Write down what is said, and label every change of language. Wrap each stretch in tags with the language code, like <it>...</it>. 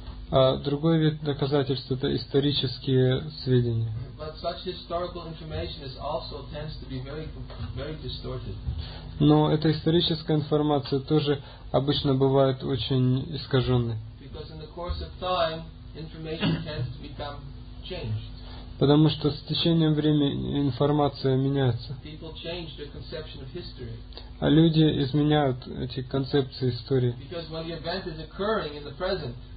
<ru>А другой вид доказательств – это исторические сведения.</ru> <en>But such historical information is also tends to be very, very distorted.</en> <ru>Но эта историческая информация тоже обычно бывает очень искаженной.</ru> <en>Because in the course of time, information tends to become changed.</en> <ru>Потому что с течением времени информация меняется.</ru> <en>People change their conception of history.</en> <ru>А люди изменяют эти концепции истории.</ru> <en>Because when the event is occurring in the present,</en>